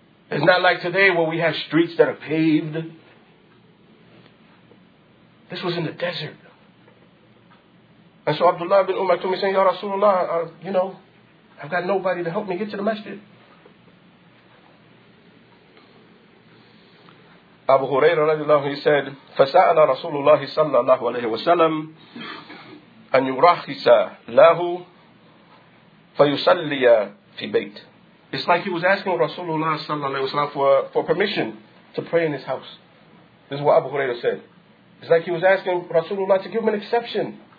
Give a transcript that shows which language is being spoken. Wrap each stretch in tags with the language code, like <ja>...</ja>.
<en>It's not like today where we have streets that are paved. This was in the desert. And so Abdullah ibn Umar told me, saying, Ya Rasulullah, I've got nobody to help me get to the masjid. Abu Hurairah radiallahu anhu, he said,</en> <ar>فَسَأَلَ رَسُولُ اللَّهِ صَلَّى اللَّهُ عَلَيْهِ وَسَلَّمْ أَنْ يُرَخِّسَ لَهُ فَيُسَلِّيَ فِي بَيْتِ.</ar> <en>It's like he was asking Rasulullah sallallahu alayhi wa sallam for permission to pray in his house. This is what Abu Hurairah said. It's like he was asking Rasulullah to give him an exception.</en>